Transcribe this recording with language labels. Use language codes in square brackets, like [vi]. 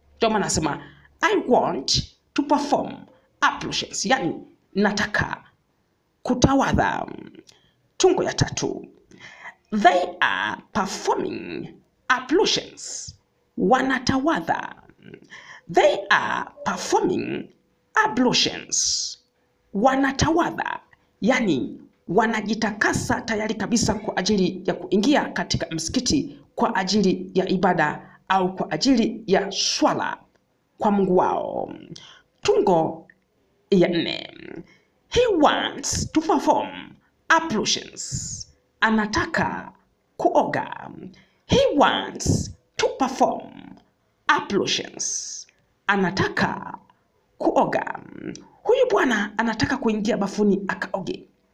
[sw] Ndio maana anasema [en] I want to perform ablutions, [sw] yani nataka kutawadha. Tungo ya tatu, [en] they are performing ablutions. [sw] Wanatawadha. [en] They are performing ablutions. [sw] Wanatawadha, yani wanajitakasa tayari kabisa kwa ajili ya kuingia katika msikiti kwa ajili ya ibada au kwa ajili ya swala kwa Mungu wao. Tungo ya nne, [en] he wants to perform ablutions. [sw] Anataka kuoga. [en] He wants to perform ablutions. [sw] Anataka kuoga. Huyu bwana anataka kuingia bafuni akaoge.